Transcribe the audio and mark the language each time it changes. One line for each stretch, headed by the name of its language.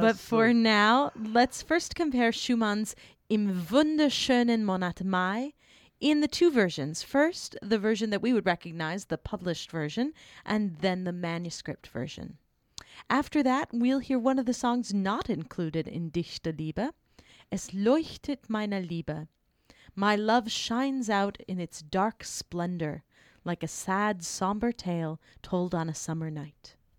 English: but for now, let's first compare Schumann's Im wunderschönen Monat Mai in the two versions. First, the version that we would recognize, the published version, and then the manuscript version. After that, we'll hear one of the songs not included in Dichterliebe.
German: Es leuchtet meine Liebe.
English: My love shines out in its dark splendor, like a sad, somber tale told on a summer night.